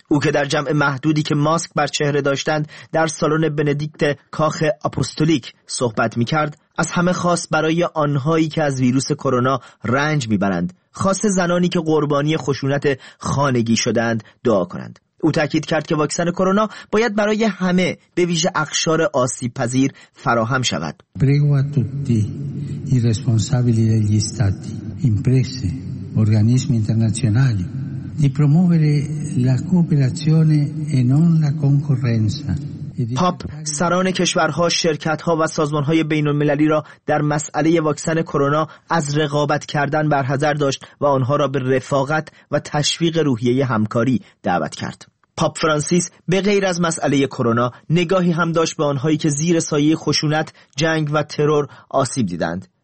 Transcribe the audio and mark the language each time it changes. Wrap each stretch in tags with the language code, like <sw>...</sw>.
<fa>او که در جمع محدودی که ماسک بر چهره داشتند در سالن بندیکت کاخ اپوستولیک صحبت می کرد، از همه خاص برای آنهایی که از ویروس کرونا رنج می برند، خاص زنانی که قربانی خشونت خانگی شدند، دعا کنند. او تاکید کرد که واکسن کرونا باید برای همه به ویژه اقشار آسیب پذیر فراهم شود.</fa> <it>Prego a tutti i responsabili degli stati, imprese, organismi internazionali di promuovere la cooperazione e non la concorrenza.</it> <fa>پاپ سران کشورها، شرکتها و سازمانهای بین‌المللی را در مسئله واکسن کرونا از رقابت کردن برحذر داشت و آنها را به رفاقت و تشویق روحیه همکاری دعوت کرد. پاپ فرانسیس به غیر از مسئله کرونا نگاهی هم داشت به آنهایی که زیر سایه خشونت، جنگ و ترور آسیب دیدند.</fa>